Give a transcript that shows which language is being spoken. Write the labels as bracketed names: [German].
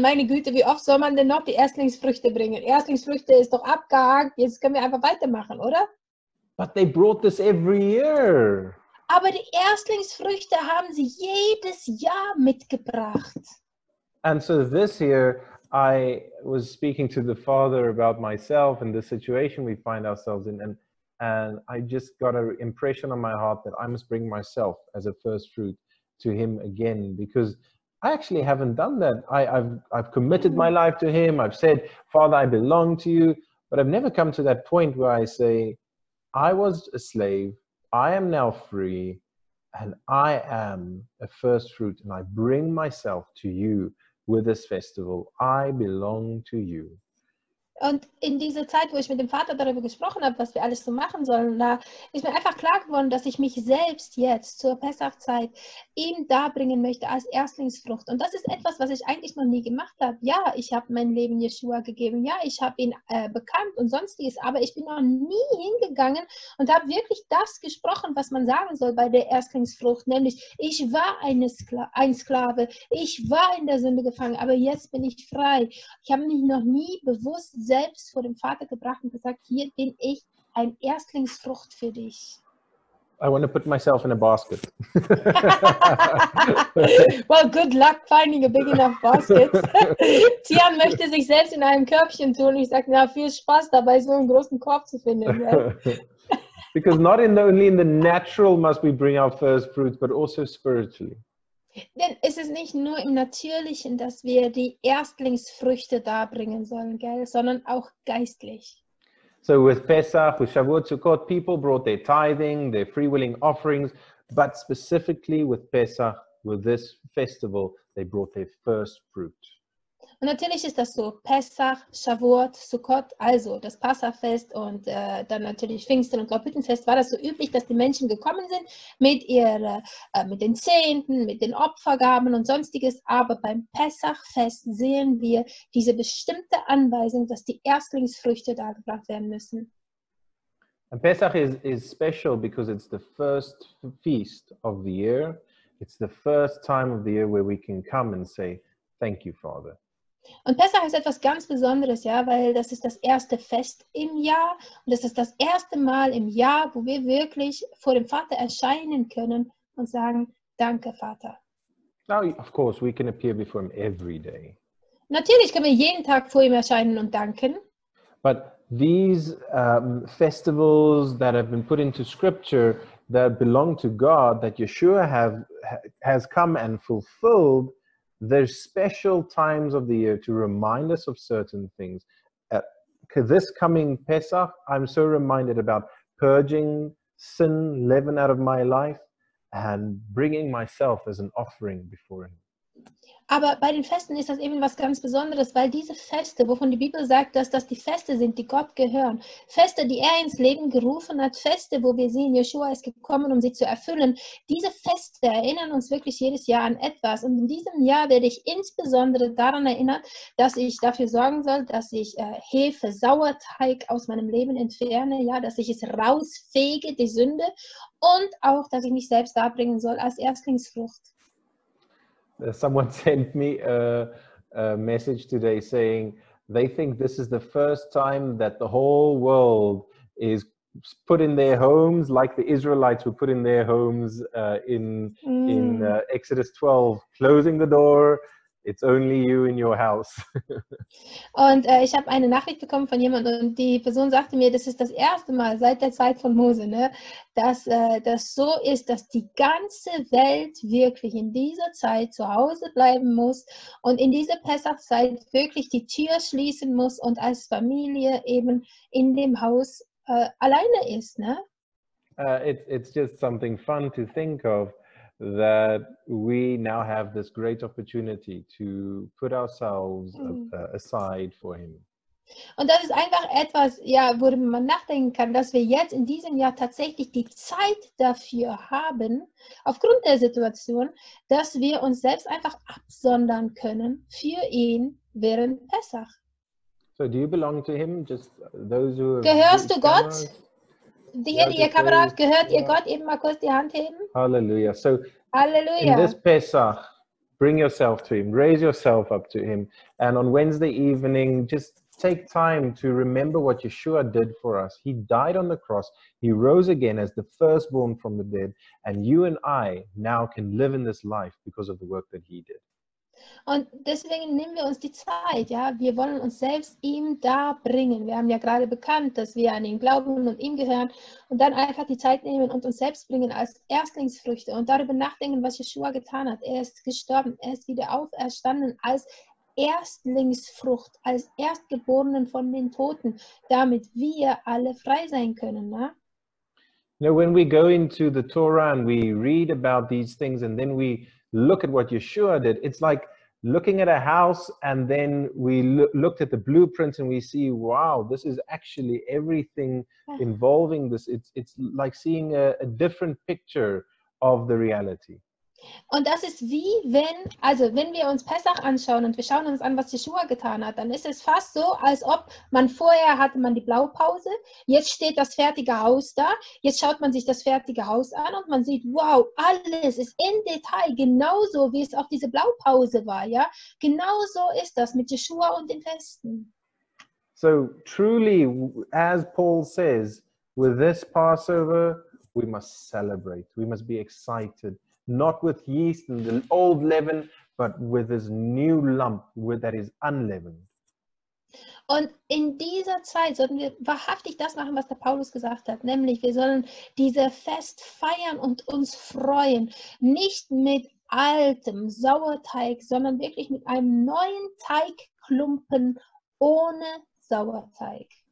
[German] Meine Güte, wie oft soll man denn noch die Erstlingsfrüchte bringen? Erstlingsfrüchte ist doch abgehakt, jetzt können wir einfach weitermachen, oder? [English] But they brought this every year. [German] Aber die Erstlingsfrüchte haben sie jedes Jahr mitgebracht. [English] And so this year, I was speaking to the Father about myself and the situation we find ourselves in, and I just got an impression on my heart that I must bring myself as a first fruit to him again, because I actually haven't done that. I've committed my life to him. I've said, Father, I belong to you. But I've never come to that point where I say, I was a slave, I am now free, and I am a first fruit, and I bring myself to you with this festival. I belong to you. [German] Und in dieser Zeit, wo ich mit dem Vater darüber gesprochen habe, was wir alles so machen sollen, da ist mir einfach klar geworden, dass ich mich selbst jetzt zur Pessachzeit ihm darbringen möchte als Erstlingsfrucht. Und das ist etwas, was ich eigentlich noch nie gemacht habe. Ja, ich habe mein Leben Yeshua gegeben. Ja, ich habe ihn bekannt und sonstiges. Aber ich bin noch nie hingegangen und habe wirklich das gesprochen, was man sagen soll bei der Erstlingsfrucht. Nämlich, ich war ein Sklave. Ich war in der Sünde gefangen. Aber jetzt bin ich frei. Ich habe mich noch nie bewusst selbst vor dem Vater gebracht und gesagt, hier bin ich ein Erstlingsfrucht für dich. [English] I want to put myself in a basket. Well, good luck finding a big enough basket. [German] Tian möchte sich selbst in einem Körbchen tun. Ich sage, na, viel Spaß dabei, so einen großen Korb zu finden. [English] Because not in the, only in the natural must we bring our first fruits, but also spiritually. [German] Denn es ist nicht nur im Natürlichen, dass wir die Erstlingsfrüchte darbringen sollen, gell? Sondern auch geistlich. [English] So with Pesach, with Shavuot, Sukkot, people brought their tithing, their freewilling offerings, but specifically with Pesach, with this festival, they brought their first fruit. [German] Und natürlich ist das so, Pesach, Shavuot, Sukkot, also das Passafest und dann natürlich Pfingsten und Glaubhüttenfest, war das so üblich, dass die Menschen gekommen sind mit ihrer, mit den Zehnten, mit den Opfergaben und sonstiges. Aber beim Pesachfest sehen wir diese bestimmte Anweisung, dass die Erstlingsfrüchte dargebracht werden müssen. [English] And Pesach is special because it's the first feast of the year. It's the first time of the year where we can come and say, thank you, Father. [German] Und Pesach ist etwas ganz Besonderes, ja, weil das ist das erste Fest im Jahr und das ist das erste Mal im Jahr, wo wir wirklich vor dem Vater erscheinen können und sagen, danke, Vater. [English] Now, of course, we can appear before him every day. [German] Natürlich können wir jeden Tag vor ihm erscheinen und danken. [English] But these festivals that have been put into scripture that belong to God, that Yeshua has come and fulfilled, there's special times of the year to remind us of certain things. This coming Pesach, I'm so reminded about purging sin, leaven out of my life and bringing myself as an offering before him. [German] Aber bei den Festen ist das eben was ganz Besonderes, weil diese Feste, wovon die Bibel sagt, dass das die Feste sind, die Gott gehören, Feste, die er ins Leben gerufen hat, Feste, wo wir sehen, Yeshua ist gekommen, um sie zu erfüllen, diese Feste erinnern uns wirklich jedes Jahr an etwas. Und in diesem Jahr werde ich insbesondere daran erinnert, dass ich dafür sorgen soll, dass ich Hefe, Sauerteig aus meinem Leben entferne, ja, dass ich es rausfege, die Sünde, und auch, dass ich mich selbst darbringen soll als Erstlingsfrucht. [English] Someone sent me a message today saying they think this is the first time that the whole world is put in their homes like the Israelites were put in their homes in Exodus 12, closing the door. It's only you in your house. [German] Und ich habe eine Nachricht bekommen von jemandem und die Person sagte mir, das ist das erste Mal seit der Zeit von Mose, ne, dass das so ist, dass die ganze Welt wirklich in dieser Zeit zu Hause bleiben muss und in dieser Pessachzeit wirklich die Tür schließen muss und als Familie eben in dem Haus alleine ist. Ne? [English] It's just something fun to think of. That we now have this great opportunity to put ourselves aside for him. [German] Und das ist einfach etwas, ja, worüber man nachdenken kann, dass wir jetzt in diesem Jahr tatsächlich die Zeit dafür haben, aufgrund der Situation, dass wir uns selbst einfach absondern können für ihn während Pesach. [English] So do you belong to him? Just those who [German] gehörst du Gott? Die hier, die ihr Kamera hat, gehört ihr Gott? Eben mal kurz die Hand heben. [English] Halleluja. So, [German] Halleluja. [English] In this Pesach, bring yourself to him, raise yourself up to him. And on Wednesday evening, just take time to remember what Yeshua did for us. He died on the cross. He rose again as the firstborn from the dead. And you and I now can live in this life because of the work that he did. [German] Und deswegen nehmen wir uns die Zeit, ja, wir wollen uns selbst ihm da bringen. Wir haben ja gerade bekannt, dass wir an ihn glauben und ihm gehören und dann einfach die Zeit nehmen und uns selbst bringen als Erstlingsfrüchte und darüber nachdenken, was Yeshua getan hat. Er ist gestorben, er ist wieder auferstanden als Erstlingsfrucht, als Erstgeborenen von den Toten, damit wir alle frei sein können, ne? [English] Now when we go into the Torah and we read about these things and then we look at what Yeshua did, it's like looking at a house and then we looked at the blueprint and we see, wow, this is actually everything involving this. It's like seeing a different picture of the reality. [German] Und das ist wie wenn, also wenn wir uns Pesach anschauen und wir schauen uns an, was Yeshua getan hat, dann ist es fast so, als ob man vorher hatte man die Blaupause, jetzt steht das fertige Haus da, jetzt schaut man sich das fertige Haus an und man sieht, wow, alles ist im Detail genauso, wie es auch diese Blaupause war, ja, genauso ist das mit Yeshua und den Festen. [English] So truly, as Paul says, with this Passover, we must celebrate, we must be excited. Not with yeast and the old leaven, but with this new lump that is unleavened. [German] Und in dieser Zeit sollten wir wahrhaftig das machen, was der Paulus gesagt hat, nämlich wir sollen diese Fest feiern und uns freuen, nicht mit altem Sauerteig, sondern wirklich mit einem neuen Teigklumpen ohne Sauerteig.